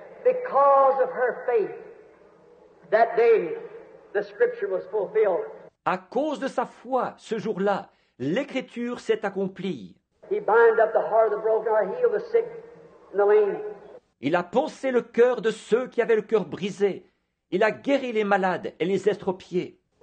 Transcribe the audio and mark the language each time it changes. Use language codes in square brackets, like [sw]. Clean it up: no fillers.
[en] Because of her faith, that day, the scripture was fulfilled. [fr] À cause de sa foi, ce jour-là, l'Écriture s'est accomplie. [en] He bound up the heart of the broken, or healed the sick and the lame. [fr] Il a pansé le cœur de ceux qui avaient le cœur brisé. Il a guéri les malades et les estropiés.